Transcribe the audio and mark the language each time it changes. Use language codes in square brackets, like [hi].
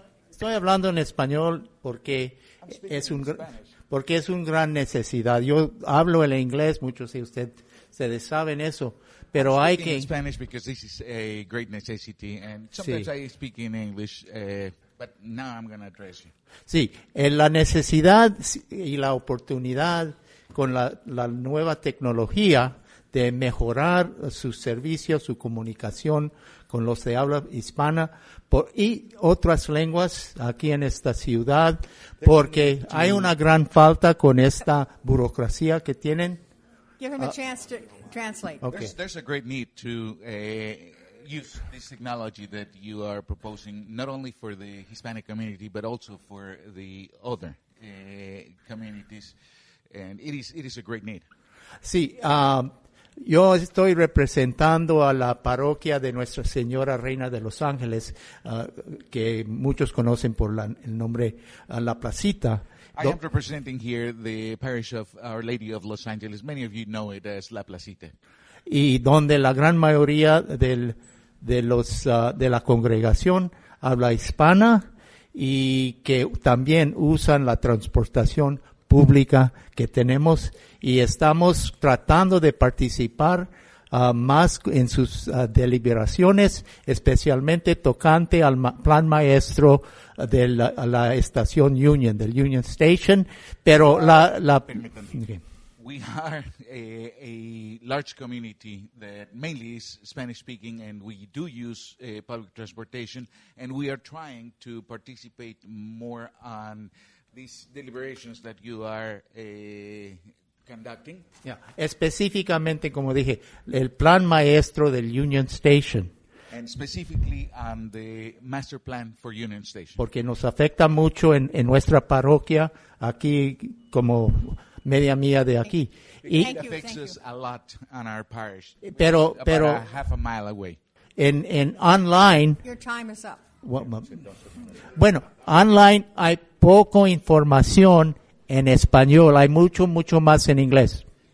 [es] Estoy hablando en español porque es un gran necesidad. Yo hablo el inglés, muchos de ustedes saben eso. Pero hay que. [en] In Spanish because this is a great necessity, and sometimes sí. I speak in English, but now I'm going to address you. [es] Sí, la necesidad y la oportunidad con la nueva tecnología de mejorar su servicio, su comunicación con los de habla hispana y otras lenguas aquí en esta ciudad, porque hay una gran falta con esta burocracia que tienen. [en] Give him a chance to translate. Okay. There's a great need to use this technology that you are proposing, not only for the Hispanic community, but also for the other communities. And it is a great need. [es] Sí, yo estoy representando a la parroquia de Nuestra Señora Reina de Los Ángeles, que muchos conocen por el nombre La Placita. [en] I am representing here the parish of Our Lady of Los Angeles. Many of you know it as La Placita. [es] Y donde la gran mayoría de la congregación habla hispana y que también usan la transportación pública que tenemos y estamos tratando de participar más en sus deliberaciones, especialmente tocante al plan maestro de la estación Union, del Union Station, pero [en] We are a large community that mainly is Spanish-speaking, and we do use public transportation, and we are trying to participate more on these deliberations that you are conducting. [es] Yeah, específicamente, como dije, el plan maestro del Union Station. [en] And specifically on the master plan for Union Station. [es] Porque nos afecta mucho en nuestra parroquia aquí como media milla de aquí. [en] It affects us a lot on our parish. [es] Pero [en] a half a mile away. [es] En online. [en] Your time is up. [es] Bueno, online hay poco información en español. Hay mucho, mucho más en inglés.